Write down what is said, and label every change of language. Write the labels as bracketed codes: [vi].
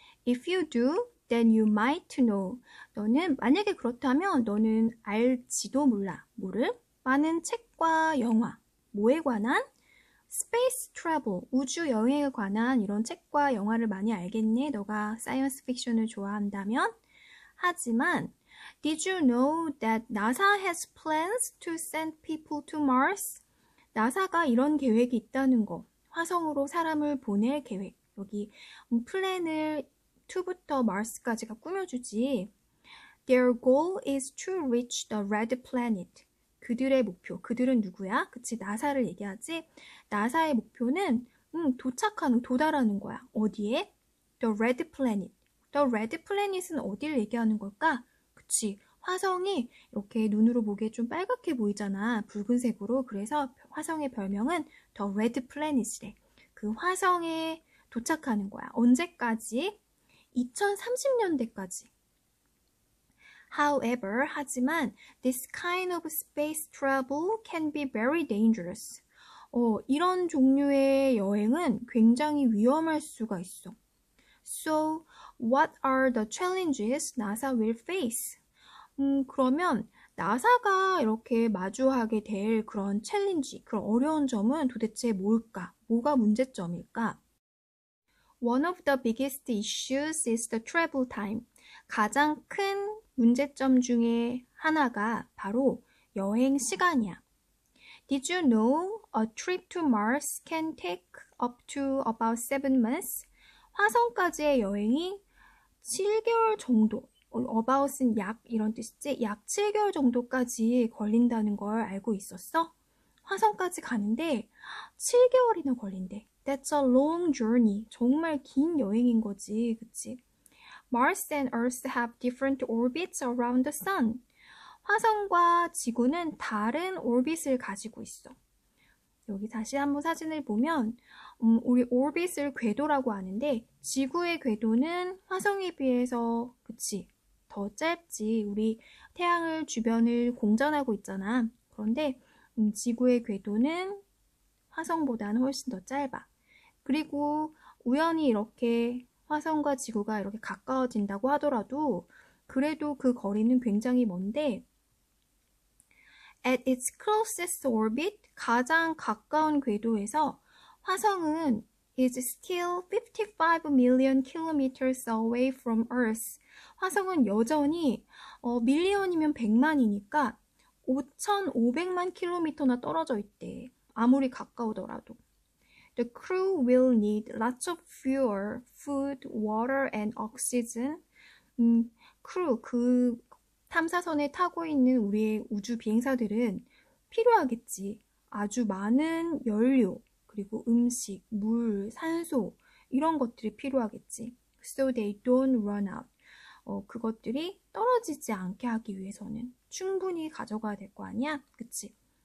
[en] If you do, then you might know. [ko] 너는 만약에 그렇다면 너는 알지도 몰라. 뭐를? 많은 책과 영화, 뭐에 관한? [en] Space travel, [ko] 우주 여행에 관한 이런 책과 영화를 많이 알겠네. 너가 사이언스 픽션을 좋아한다면. 하지만, [en] Did you know that NASA has plans to send people to Mars? [ko] NASA가 이런 계획이 있다는 거. 화성으로 사람을 보낼 계획. 여기 플랜을 2부터 Mars까지가 꾸며주지. [en] Their goal is to reach the red planet. [ko] 그들의 목표, 그들은 누구야? 그치, 나사를 얘기하지? 나사의 목표는 도착하는, 도달하는 거야. 어디에? The Red Planet. The Red Planet은 어디를 얘기하는 걸까? 그치, 화성이 이렇게 눈으로 보기에 좀 빨갛게 보이잖아, 붉은색으로. 그래서 화성의 별명은 The Red Planet이래. 그 화성에 도착하는 거야. 언제까지? 2030년대까지. [en] However, [ko] 하지만 [en] this kind of space travel can be very dangerous. [ko] 이런 종류의 여행은 굉장히 위험할 수가 있어. [en] So, what are the challenges NASA will face? [ko] 그러면 NASA가 이렇게 마주하게 될 그런 챌린지, 그런 어려운 점은 도대체 뭘까? 뭐가 문제점일까? [en] One of the biggest issues is the travel time. [ko] 가장 큰 문제점 중에 하나가 바로 여행 시간이야. [en] Did you know a trip to Mars can take up to about 7 months? [ko] 화성까지의 여행이 7개월 정도, about은 약 이런 뜻이지, 약 7개월 정도까지 걸린다는 걸 알고 있었어? 화성까지 가는데 7개월이나 걸린대. [en] That's a long journey. [ko] 정말 긴 여행인 거지, 그치? [en] Mars and Earth have different orbits around the sun. [ko] 화성과 지구는 다른 오빗을 가지고 있어. 여기 다시 한번 사진을 보면, 우리 오빗을 궤도라고 하는데, 지구의 궤도는 화성에 비해서, 그치, 더 짧지. 우리 태양을 주변을 공전하고 있잖아. 그런데 지구의 궤도는 화성보다는 훨씬 더 짧아. 그리고 우연히 이렇게 화성과 지구가 이렇게 가까워진다고 하더라도 그래도 그 거리는 굉장히 먼데, [en] At its closest orbit, [ko] 가장 가까운 궤도에서 화성은 [en] is still 55 million kilometers away from Earth. [ko] 화성은 여전히 밀리언이면 100만이니까 5,500만 킬로미터나 떨어져 있대. 아무리 가까우더라도. [en] The crew will need lots of fuel, food, water, and oxygen. [ko] Crew, 그 탐사선에 타고 있는 우리의 우주 비행사들은 필요하겠지. 아주 많은 연료, 그리고 음식, 물, 산소, 이런 것들이 필요하겠지. [en] So they don't run out. [ko] 그것들이 떨어지지 않게 하기 위해서는 충분히 가져가야 될거 아니야? 그치?